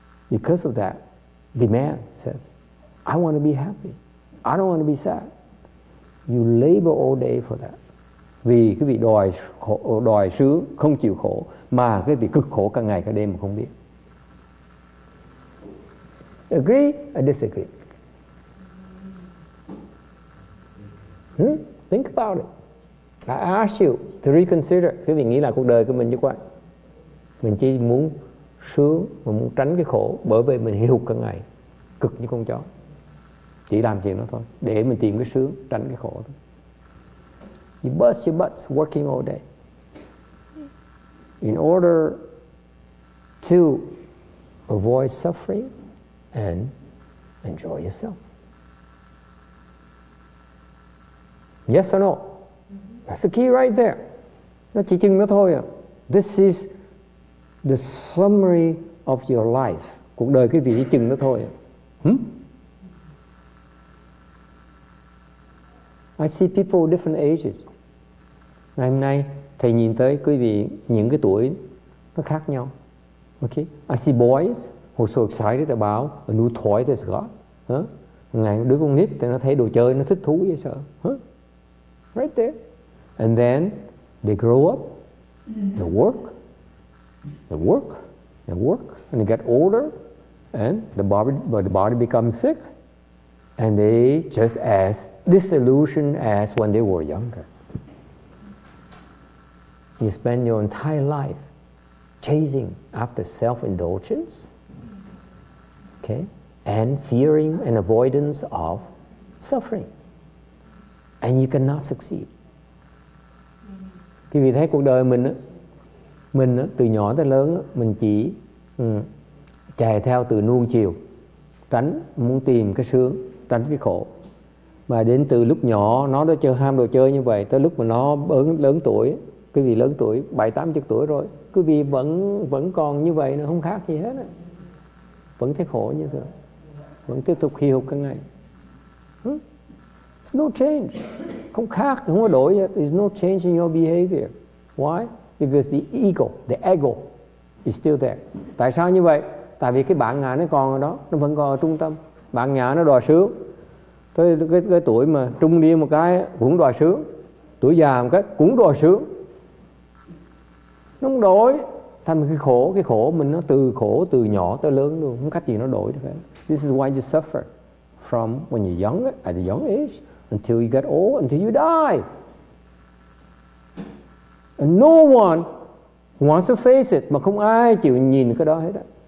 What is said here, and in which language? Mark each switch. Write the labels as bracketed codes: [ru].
[en] Because of that, the man says, I want to be happy. I don't want to be sad. You labor all day for that. [vi] Vì cái vị đòi khổ, đòi sướng, không chịu khổ, mà cái vị cực khổ cả ngày cả đêm mà không biết. [en] Agree or disagree? Think about it. I ask you to reconsider. [vi] Quý vị nghĩ là cuộc đời của mình chứ quá. Mình chỉ muốn sướng, mà muốn tránh cái khổ, bởi vì mình hiểu cả ngày, cực như con chó. Chỉ làm chuyện đó thôi, để mình tìm cái sướng, tránh cái khổ thôi. [en] You bust your butt working all day. In order to avoid suffering and enjoy yourself. Yes or no? That's the key right there. [vi] Nó chỉ chừng đó thôi à. [en] This is the summary of your life. [vi] Cuộc đời cái vị chỉ chừng đó thôi à. [en] I see people different ages. [vi] Ngày hôm nay thầy nhìn tới quý vị những cái tuổi nó khác nhau. [en] Okay. I see boys who are so excited about a new toy that's got. [vi] Ngày đứa con nít thì nó thấy đồ chơi nó thích thú vậy sợ. [en] Right there. And then they grow up, they work, and they get older, and the body becomes sick, and they just as disillusioned as when they were younger. You spend your entire life chasing after self-indulgence, okay, and fearing and avoidance of suffering, and you cannot succeed. [vi] Quý vị thấy cuộc đời mình từ nhỏ tới lớn mình chỉ chạy theo từ nuông chiều, tránh muốn tìm cái sướng, tránh cái khổ. Mà đến từ lúc nhỏ nó đã chơi ham đồ chơi như vậy, tới lúc mà nó lớn tuổi, quý vị lớn tuổi 70-80 tuổi rồi, quý vị vẫn còn như vậy nữa, không khác gì hết á. Vẫn thấy khổ như thường, vẫn tiếp tục hì hục cả ngày. [en] It's no change. [vi] Không khác, không có đổi. [en] There's no change in your behavior. Why? Because the ego, the ego is still there. [vi] Tại sao như vậy? Tại vì cái bản ngã nó còn ở đó, nó vẫn còn ở trung tâm. Bản ngã nó đòi sướng. Tới cái tuổi mà trung niên một cái cũng đòi sướng, tuổi già một cái cũng đòi sướng. Nó không đổi. Thành cái khổ mình nó từ khổ từ nhỏ tới lớn luôn, không cách gì nó đổi được. [en] This is why you suffer from when you're young, at a young age, until you get old, until you die. And no one wants to face it, [vi] mà không ai chịu nhìn cái đó hết á.